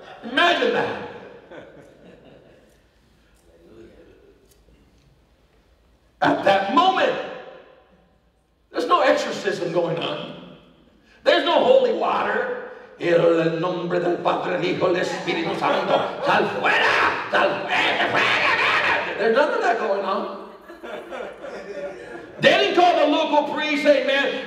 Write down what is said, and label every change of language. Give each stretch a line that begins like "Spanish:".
English: Imagine that. At that moment, there's no exorcism going on. There's no holy water.
Spanish: En el nombre del Padre, del Hijo, del Espíritu Santo, sal fuera, sal fuera, fuera.
English: There's none of that going on. They didn't call the local priest, amen.